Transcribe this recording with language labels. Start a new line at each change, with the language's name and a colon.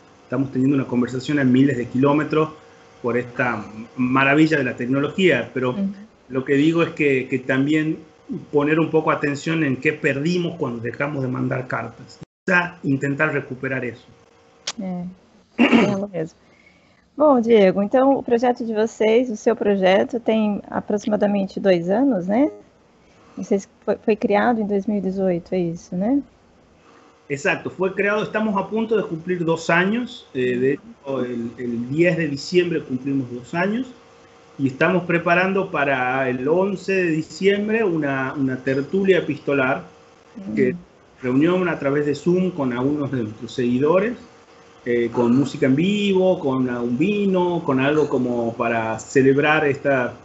Spanish: Estamos teniendo una conversación a miles de kilómetros por esta maravilla de la tecnología, pero lo que digo es que también poner un poco atención en qué perdimos cuando dejamos de mandar cartas. Quizá intentar recuperar eso.
Portuguese: Belo mesmo. Bom, Diego, então o projeto de vocês, o seu projeto, tem aproximadamente 2 anos, né? Vocês foi criado em 2018, é isso, né?
Spanish: Exacto, fue creado, estamos a punto de cumplir 2 años, de hecho el 10 de diciembre cumplimos 2 años y estamos preparando para el 11 de diciembre una tertulia epistolar, que reunión a través de Zoom con algunos de nuestros seguidores, con música en vivo, con un vino, con algo como para celebrar esta.